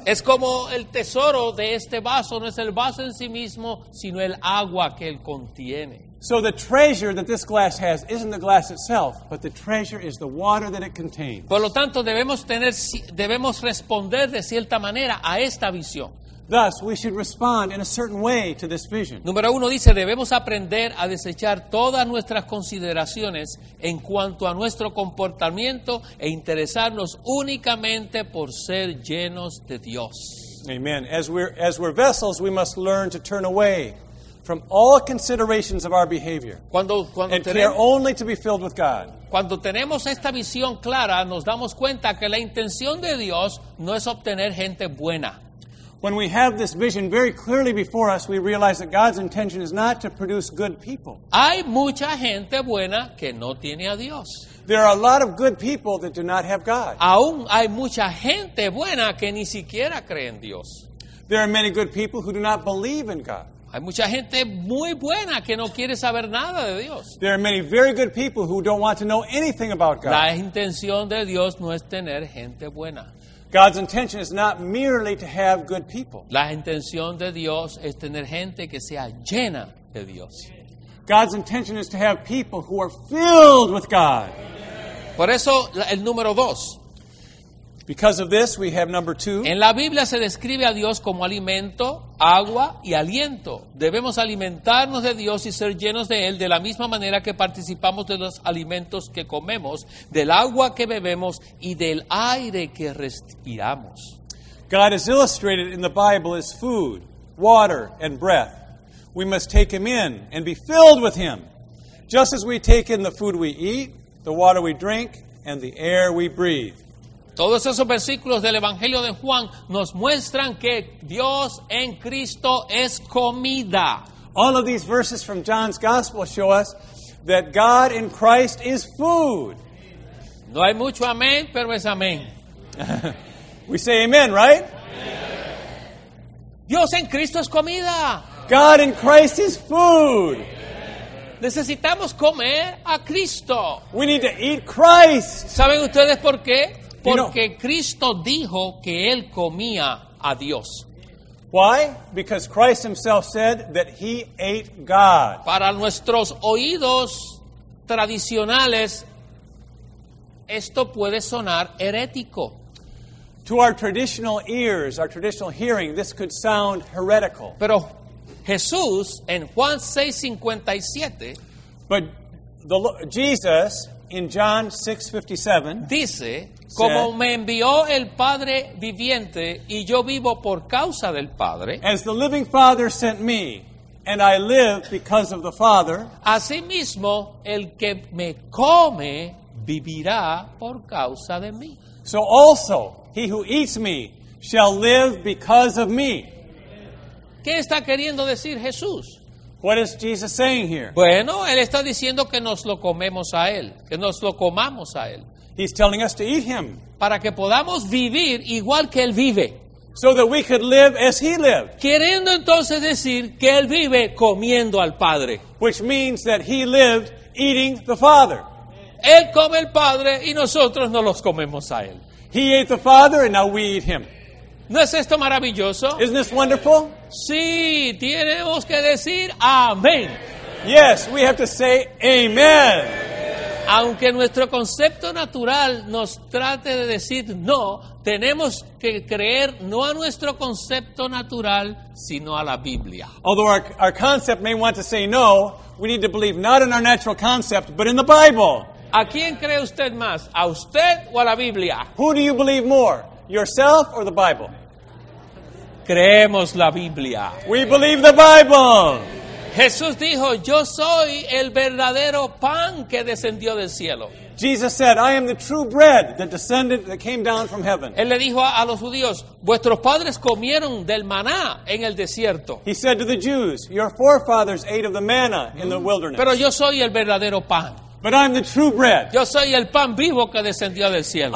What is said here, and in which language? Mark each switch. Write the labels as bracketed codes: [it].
[es] Es como el tesoro de este vaso no es el vaso en sí mismo, sino el agua que él contiene. [en] So the treasure that this glass has isn't the glass itself, but the treasure is the water that it contains. [es] Por lo tanto, debemos responder de cierta manera a esta visión. [en] Thus, we should respond in a certain way to this vision. [es] Número uno dice, debemos aprender a desechar todas nuestras consideraciones en cuanto a nuestro comportamiento e interesarnos únicamente por ser llenos de Dios. [en] Amen. As we're vessels, we must learn to turn away from all considerations of our behavior care only to be filled with God. [es] Cuando tenemos esta visión clara, nos damos cuenta que la intención de Dios no es obtener gente buena. [en] When we have this vision very clearly before us, we realize that God's intention is not to produce good people. [es] Hay mucha gente buena que no tiene a Dios. [en] There are a lot of good people that do not have God. [es] Aún hay mucha gente buena que ni siquiera cree en Dios. [en] There are many good people who do not believe in God. [es] Hay mucha gente muy buena que no quiere saber nada de Dios. [en] There are many very good people who don't want to know anything about God. [es] La intención de Dios no es tener gente buena. [en] God's intention is not merely to have good people. [es] La intención de Dios es tener gente que sea llena de Dios. [en] God's intention is to have people who are filled with God. [es] Por eso, el número dos. [en] Because of this, we have number two. [es] En la Biblia se describe a Dios como alimento, agua y aliento. Debemos alimentarnos de Dios y ser llenos de Él de la misma manera que participamos de los alimentos que comemos, del agua que bebemos y del aire que respiramos. [en] God is illustrated in the Bible as food, water, and breath. We must take Him in and be filled with Him, just as we take in the food we eat, the water we drink, and the air we breathe. [es] Todos esos versículos del Evangelio de Juan nos muestran que Dios en Cristo es comida. [en] All of these verses from John's Gospel show us that God in Christ is food. [es] No hay mucho amén, pero es amén. [en] We say amen, right? [es] Amen. Dios en Cristo es comida. [en] God in Christ is food. [es] Necesitamos comer a Cristo. [en] We need to eat Christ. [es] ¿Saben ustedes por qué? Porque Cristo dijo que él comía a Dios. [en] Why? Because Christ himself said that he ate God. [es] Para nuestros oídos tradicionales, esto puede sonar herético. [en] To our traditional ears, our traditional hearing, this could sound heretical. [es] Pero Jesús en Juan 6:57, [en] but Jesus in John 6:57 [es] dice, como me envió el Padre viviente y yo vivo por causa del Padre. [en] As the living Father sent me and I live because of the Father. [es] Asimismo, el que me come vivirá por causa de mí. [en] So also, he who eats me shall live because of me. [es] ¿Qué está queriendo decir Jesús? [en] What is Jesus saying here? [es] Bueno, él está diciendo que nos lo comemos a él, que nos lo comamos a él. [en] He's telling us to eat him. [es] Para que podamos vivir igual que él vive. [en] So that we could live as he lived. [es] Queriendo entonces decir que él vive comiendo al Padre. [en] Which means that he lived eating the Father. [es] Él come al Padre y nosotros no los comemos a él. [en] He ate the Father and now we eat him. [es] ¿No es esto maravilloso? [en] Isn't this wonderful? [es] Sí, tenemos que decir amén. [en] Yes, we have to say amen. [es] Aunque nuestro concepto natural nos trate de decir no, tenemos que creer no a nuestro concepto natural, sino a la Biblia. [en] Although our concept may want to say no, we need to believe not in our natural concept, but in the Bible. [es] ¿A quién cree usted más? ¿A usted o a la Biblia? [en] Who do you believe more? Yourself or the Bible? [es] Creemos la Biblia. [en] We believe the Bible. [es] Jesús dijo, yo soy el verdadero pan que descendió del cielo. [en] Jesus said, I am the true bread that descended, that came down from heaven. [es] Él le dijo a los judíos, vuestros padres comieron del maná en el desierto. [en] He said to the Jews, your forefathers ate of the manna in the wilderness. [es] Pero yo soy el verdadero pan. [en] But I'm the true bread. [es] Yo soy el pan vivo que descendió del cielo.